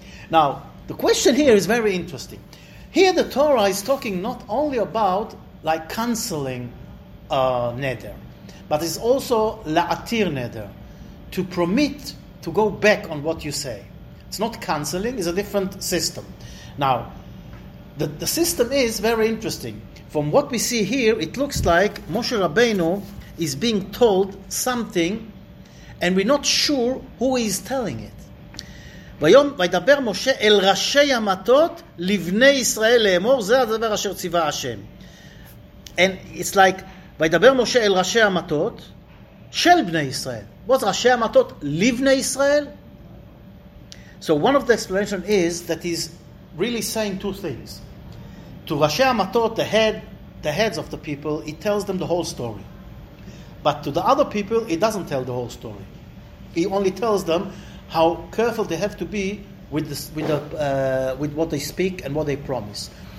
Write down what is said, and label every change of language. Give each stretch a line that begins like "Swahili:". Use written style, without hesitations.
English: Now, the question here is very interesting. Here the Torah is talking not only about canceling neder, but it's also la'atir neder, to permit to go back on what you say. It's not canceling, it's a different system. Now, the system is very interesting. From what we see here, it looks like Moshe Rabbeinu is being told something, and we're not sure who is telling it.
Hebrew: ויום וידבר משה אל ראשי המטות לבני ישראל לאמור זה הדבר אשר ציווה השם.
English: And it's like
Hebrew: וידבר משה אל ראשי המטות של בני ישראל.
English: What's
Hebrew: ראשי המטות לבני ישראל?
English: So one of the explanations is that he's really saying two things. To Rashi Amatot, the heads of the people, he tells them the whole story. But to the other people, he doesn't tell the whole story. He only tells them how careful they have to be with what they speak and what they promise.